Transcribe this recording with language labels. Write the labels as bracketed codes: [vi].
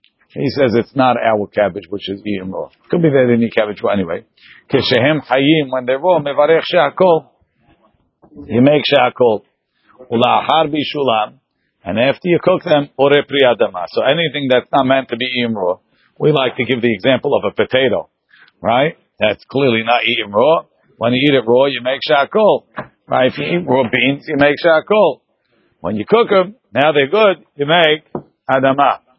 [en] He says it's not our cabbage, which is eaten raw. Could be that any cabbage, but anyway. [he] כשהם חיים, [en] when they're raw, [he] מברך שהכל. [en] He makes שהכל. [he] ולאחר בישולם, [en] and after you cook them, [he] עורי פרי אדמה. [en] So anything that's not meant to be eaten raw, we like to give the example of a potato, right? That's clearly not eaten raw. When you eat it raw, you make שהכל. Right? If you eat raw beans, you make שהכל. When you cook them, now they're good, you make adama.